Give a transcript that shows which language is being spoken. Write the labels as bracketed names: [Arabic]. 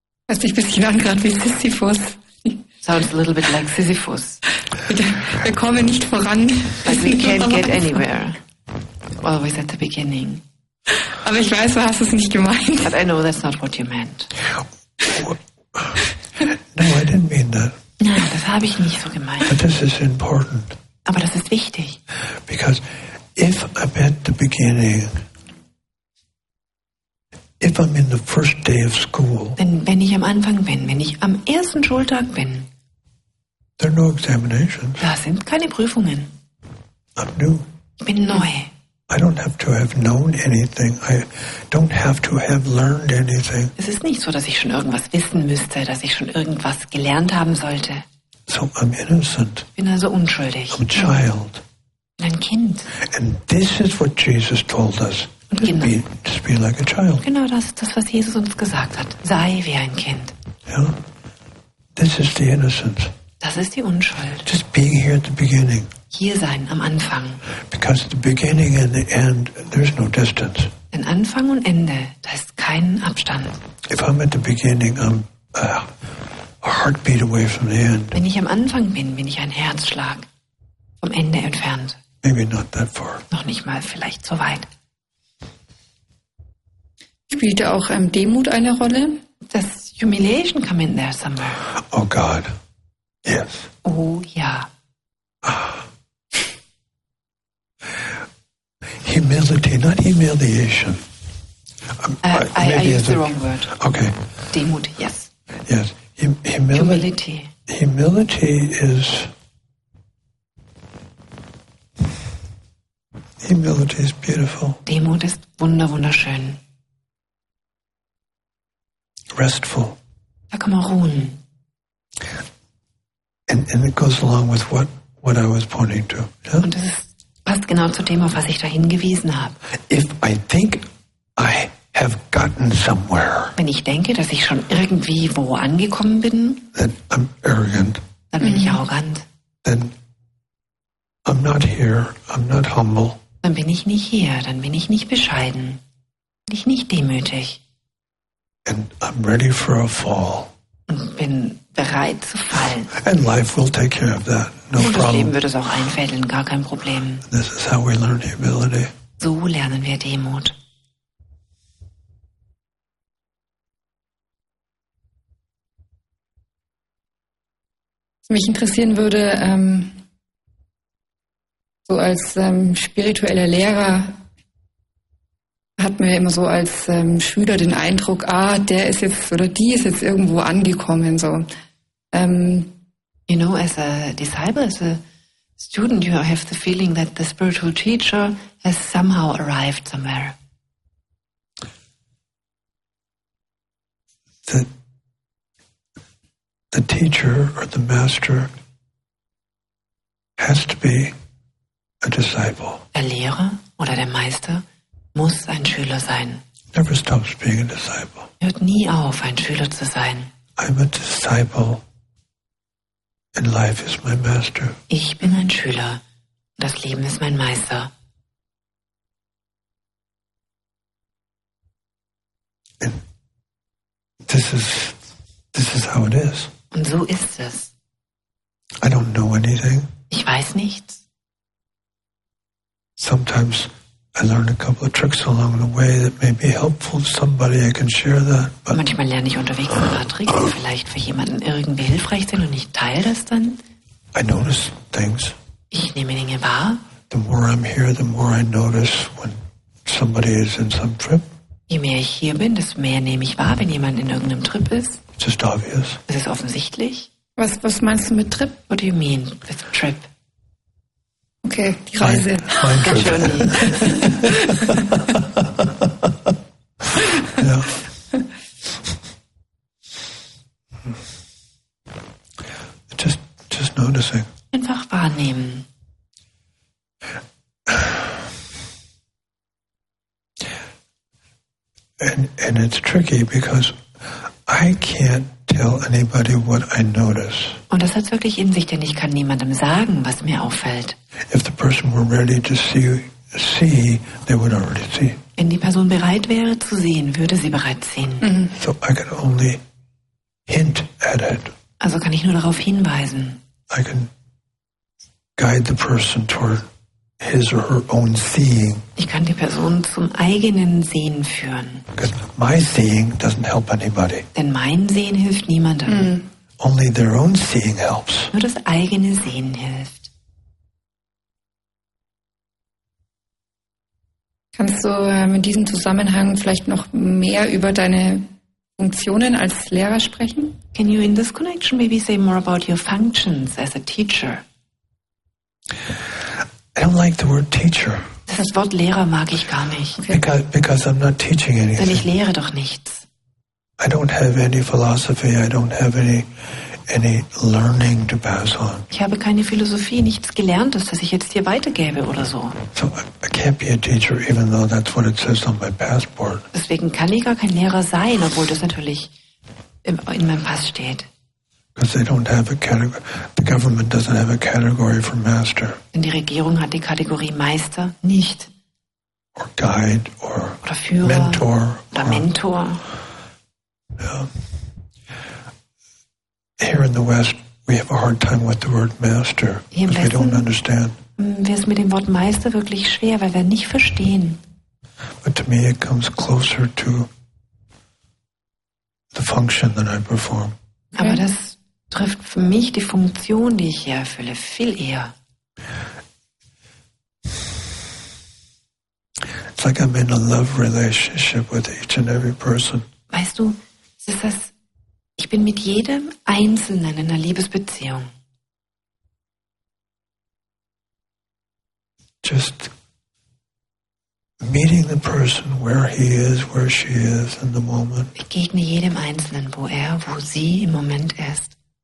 [German] Hast du dich ein bisschen angerannt wie Sisyphus? [English] Sounds a little bit like Sisyphus. [German] Wir kommen nicht voran. [English] But we can't get anywhere. Always at the beginning. [German] Aber ich weiß, du hast es nicht gemeint. [English] But I know that's not what you meant. No, I didn't mean that. [German] Nein, das habe ich nicht so gemeint. [English] But this is important. [German] Aber das ist wichtig. [English] Because if I'm at the beginning, if I'm in the first day of school, [German] denn wenn ich am Anfang bin, wenn ich am ersten Schultag bin, [English] there are no examinations. [German] Da sind keine Prüfungen. [English] I'm new. [German] Ich bin neu. [English] I don't have to have known anything. I don't have to have learned anything. [German] Es ist nicht so, dass ich schon irgendwas wissen müsste, dass ich schon irgendwas gelernt haben sollte. [English] So I'm innocent. [German] Bin also unschuldig. [English] I'm a child. [German] Ein Kind. [English] And this is what Jesus told us. Just be like a child. [German] Genau das ist das, was Jesus uns gesagt hat. Sei wie ein Kind. [English] Yeah. This is the innocence. [German] Das ist die Unschuld. [English] Just being here at the beginning. [German] Hier sein am Anfang. [English] Because the beginning and the end, there's no distance. [German] Denn Anfang und Ende, da ist kein Abstand. [English] If I'm at the beginning, I'm a heartbeat away from the end. [German] Wenn ich am Anfang bin, bin ich ein Herzschlag vom Ende entfernt. [English] Maybe not that far. [German] Noch nicht mal vielleicht so weit. Spielt da auch Demut eine Rolle? [English] Does humiliation come in there somewhere? Oh God, yes. [German] Oh ja. [English] Humility, not humiliation. I used the wrong word. Okay. Demut, yes. Yes. Humility. Humility is... Humility is beautiful. [German] Demut ist wunderschön. [English] Restful. [German] Da kann man ruhen. [English] And it goes along with what I was pointing to. Yeah? [German] Und das ist passt genau zu dem, auf was ich da hingewiesen habe. [English] If I think I have gotten somewhere, [German] wenn ich denke, dass ich schon irgendwie wo angekommen bin, [English] then I'm arrogant. [German] Dann bin ich arrogant. [English] Then I'm not here, I'm not humble. [German] Dann bin ich nicht hier, dann bin ich nicht bescheiden, bin ich nicht demütig. [English] And I'm ready for a fall. [German] Und bin bereit zu fallen. [English] And life will take care of that. No [German] und das Leben wird es auch einfädeln, gar kein Problem. [English] This is how we learn humility. [German] So lernen wir Demut. Was mich interessieren würde, so als spiritueller Lehrer hat mir immer so als Schüler den Eindruck, ah, der ist jetzt oder die ist jetzt irgendwo angekommen. So. [English] You know, as a disciple, as a student, you have the feeling that the spiritual teacher has somehow arrived somewhere. The teacher or the master has to be a disciple. [German] Der Lehrer oder der Meister muss ein Schüler sein. [English] Never stops being a disciple. [German] Hört nie auf, ein Schüler zu sein. [English] I'm a disciple. And life is my master. [German] Ich bin ein Schüler. Das Leben ist mein Meister. [English] And this is how it is. [German] Und so ist es. [English] I don't know anything. [German] Ich weiß nichts. [English] Sometimes I learn a couple of tricks along the way that may be helpful to somebody. I can share that. But [German] manchmal lerne ich unterwegs ein paar Tricks, die vielleicht für jemanden irgendwie hilfreich sind, und ich teile das dann. [English] I notice things. [German] Ich nehme Dinge wahr. [English] The more I'm here, the more I notice when somebody is in some trip. [German] Je mehr ich hier bin, desto mehr nehme ich wahr, wenn jemand in irgendeinem Trip ist. [English] It's just obvious. [German] Es ist offensichtlich. Was meinst du mit Trip? [English] What do you mean with trip? [German] Okay, die Reise. Mein Trip. Ganz ja. [English] Just noticing. [German] Einfach wahrnehmen. [English] And it's tricky because I can't tell anybody what I notice. [German] Und das hat wirklich in sich, denn ich kann niemandem sagen, was mir auffällt. [English] If the person were ready to see, they would already see. [German] Wenn die Person bereit wäre zu sehen, würde sie bereits sehen. Mm-hmm. [English] So I can only hint at it. [German] Also kann ich nur darauf hinweisen. [English] I can guide the person toward his or her own seeing. [German] Ich kann die Person zum eigenen Sehen führen. [English] Because my seeing doesn't help anybody. [German] Denn mein Sehen hilft niemandem. Mm. [English] Only their own seeing helps. [German] Nur das eigene Sehen hilft. Kannst du in diesem Zusammenhang vielleicht noch mehr über deine Funktionen als Lehrer sprechen? [English] Can you in this connection maybe say more about your functions as a teacher? I don't like the word teacher. [German] Das Wort Lehrer mag ich gar nicht. [English] Because I'm not teaching anything. [German] Denn ich lehre doch nichts. [English] I don't have any philosophy. I don't have any learning to pass on. [German] Ich habe keine Philosophie, nichts Gelerntes, das ich jetzt hier weitergebe oder so. [English] So I can't be a teacher, even though that's what it says on my passport. [German] Deswegen kann ich gar kein Lehrer sein, obwohl das natürlich in meinem Pass steht. [English] Because they don't have a category. The government doesn't have a category for master. [German] Denn die Regierung hat die Kategorie Meister nicht. [English] Or guide, or [German] oder Führer, [English] mentor. [German] Oder Mentor. [English] Yeah. Here in the West, we have a hard time with the word master. [German] Hier im Westen, [English] we don't understand. [German] Wir sind mit dem Wort Meister wirklich schwer, weil wir nicht verstehen. [English] But to me, it comes closer to the function that I perform. [German] Aber das trifft für mich die Funktion, die ich hier erfülle, viel eher. [English] It's like I'm in a love relationship with each and every person. [German] Weißt du, es ist das, ich bin mit jedem Einzelnen in einer Liebesbeziehung. [English] Just meeting the person where he is, where she is in the moment. [German] Begegne jedem Einzelnen, wo er, wo sie im Moment ist.